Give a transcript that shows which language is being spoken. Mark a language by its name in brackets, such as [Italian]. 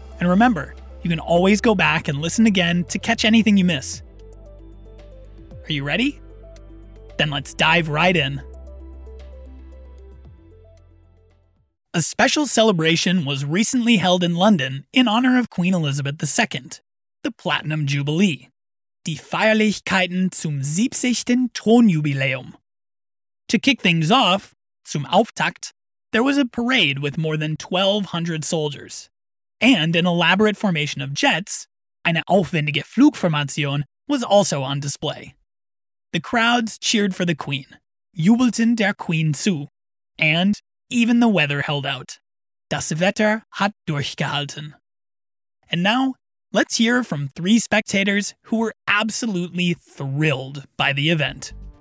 [English] And remember, you can always go back and listen again to catch anything you miss. Are you ready? Then let's dive right in. A special celebration was recently held in London in honor of Queen Elizabeth II, the Platinum Jubilee. [German] Die Feierlichkeiten zum 70. Thronjubiläum. [English] To kick things off, [German] zum Auftakt, [English] there was a parade with more than 1,200 soldiers, and an elaborate formation of jets, [German] eine aufwendige Flugformation, [English] was also on display. The crowds cheered for the Queen, [German] jubelten der Queen zu, [English] and even the weather held out. [German] Das Wetter hat durchgehalten. [English] And now, let's hear from three spectators who were absolutely thrilled by the event.